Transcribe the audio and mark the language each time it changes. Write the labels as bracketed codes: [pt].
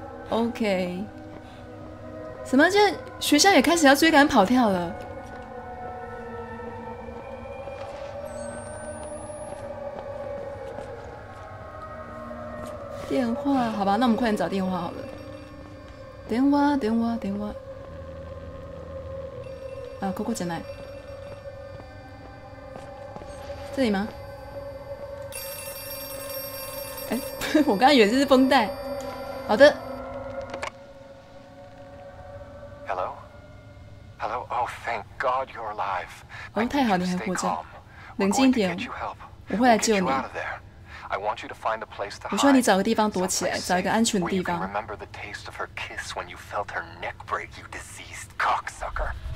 [zh] OK， 什么？现在学校也开始要追赶跑跳了？电话？好吧，那我们快点找电话好了。 [ja] 電話電話電話啊，ここじゃない。 [zh] 这里吗？哎、欸，我刚刚以为这是绷带。好的。 [en] Hello, hello. Oh, thank God you're alive. [zh] 哦，太好，你还活着。冷静点，我会来救你。 [en] I want you to find a place to hide. [zh] 我希望你找个地方躲起来，找一个安全的地方。 [en] Remember the taste of her kiss when you felt her neck break, you diseased cocksucker.